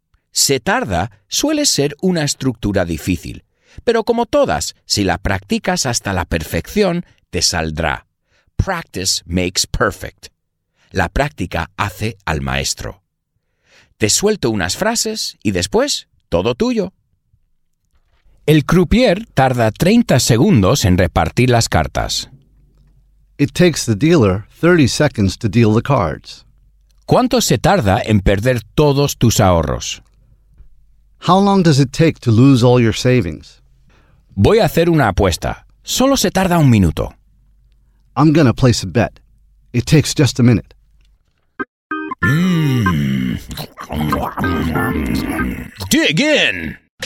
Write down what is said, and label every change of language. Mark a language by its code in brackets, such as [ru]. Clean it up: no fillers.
[es] Se tarda suele ser una estructura difícil, pero como todas, si la practicas hasta la perfección, te saldrá. [en] Practice makes perfect. [es] La práctica hace al maestro. Te suelto unas frases y después todo tuyo. El croupier tarda 30 segundos en repartir las cartas. [en] It takes the dealer 30 seconds to deal the cards. [es] ¿Cuánto se tarda en perder todos tus ahorros? [en] How long does it take to lose all your savings? [es] Voy a hacer una apuesta. Solo se tarda un minuto. [en] I'm gonna place a bet. It takes just a minute. Dig in!